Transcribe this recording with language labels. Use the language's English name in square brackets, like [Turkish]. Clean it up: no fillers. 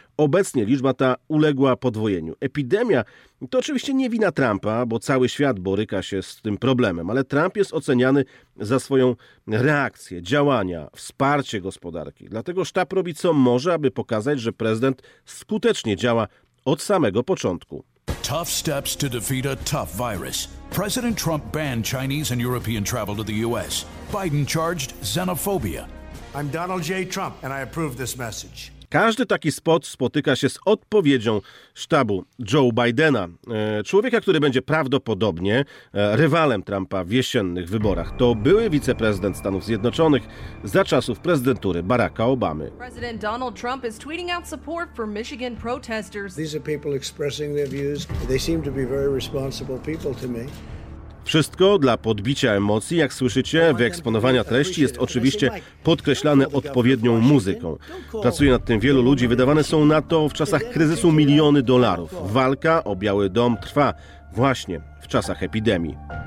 [Polish] Obecnie liczba ta uległa podwojeniu. Epidemia to oczywiście nie wina Trumpa, bo cały świat boryka się z tym problemem, ale Trump jest oceniany za swoją reakcję, działania, wsparcie gospodarki. Dlatego sztab robi co może, aby pokazać, że prezydent skutecznie działa od samego początku. [English] Tough steps to defeat a tough virus. President Trump banned Chinese and European travel to the US. Biden charged xenophobia. I'm Donald J. Trump and I approve this message. [Polish] Każdy taki spot spotyka się z odpowiedzią sztabu Joe Bidena, człowieka, który będzie prawdopodobnie rywalem Trumpa w jesiennych wyborach. To były wiceprezydent Stanów Zjednoczonych za czasów prezydentury Baracka Obamy. [English] President Donald Trump is tweeting out support for Michigan protesters. These are people expressing their views. They seem to be very responsible people to me. [Polish] Wszystko dla podbicia emocji, jak słyszycie, wyeksponowania treści jest oczywiście podkreślane odpowiednią muzyką. Pracuje nad tym wielu ludzi, wydawane są na to w czasach kryzysu miliony dolarów. Walka o Biały Dom trwa właśnie w czasach epidemii.